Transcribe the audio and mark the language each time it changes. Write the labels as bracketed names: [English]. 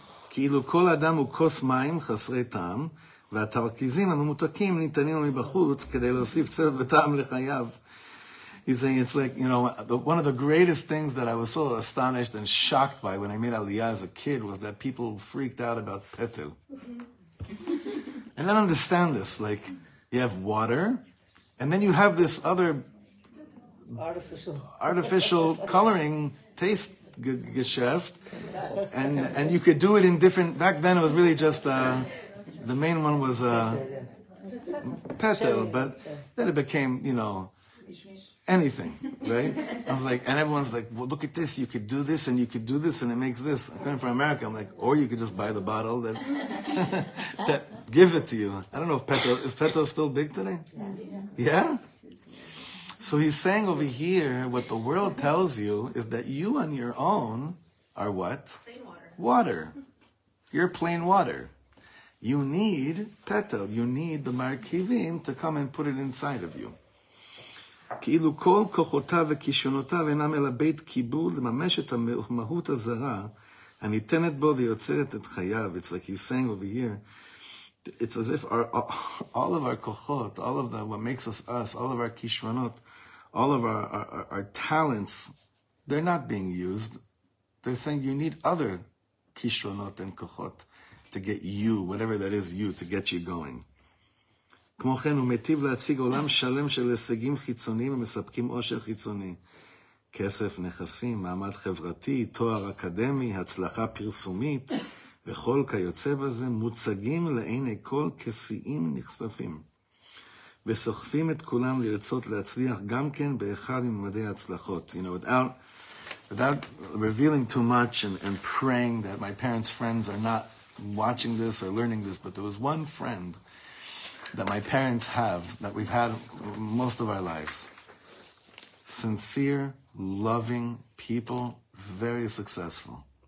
[Hebrew] כאילו כל אדם הוא כוס מים חסרי טעם, והתרכיזים הממותקים ניתנים מבחוץ כדי להוסיף צבע וטעם לחייו. [English] He's saying it's like, you know, one of the greatest things that I was so astonished and shocked by when I made Aliyah as a kid was that people freaked out about petel. Mm-hmm. And I don't understand this. Like, you have water, and then you have this other artificial coloring taste geschäft, and you could do it in different. Back then, it was really just the main one was petel, but then it became, you know, anything, right? I was like, and everyone's like, well, look at this. You could do this, and you could do this, and it makes this. I'm coming from America. I'm like, or you could just buy the bottle that that gives it to you. I don't know if petel, is petel still big today? Yeah? So he's saying over here, what the world tells you is that you on your own are what? Plain water. Water. You're plain water. You need petel. You need the markivim to come and put it inside of you. [Hebrew] כאילו כל כוחותיו וכישונותיו אינם אלא בית קיבול לממש את המהות הזרה הניתנת בו ויוצרת את חייו. [English] It's like he's saying over here, it's as if all of our כוחות, all of the, what makes us, all of our כישרונות, all of our talents, they're not being used. They're saying you need other כישרונות and כוחות to get you, whatever that is you, to get you going. [Hebrew] כמו כן הוא מטיב להציג עולם שלם של הישגים חיצוניים ומספקים עושר חיצוני. כסף, נכסים, מעמד חברתי, תואר אקדמי, הצלחה פרסומית וכל כיוצא בזה מוצגים לעיני כל כסיעים נחשפים. וסוחפים את כולם לרצות להצליח גם כן באחד ממדי ההצלחות. [English] You know, without revealing too much and praying that my parents' friends are not watching this or learning this, but there was one friend that my parents have, that we've had most of our lives. Sincere, loving people, very successful.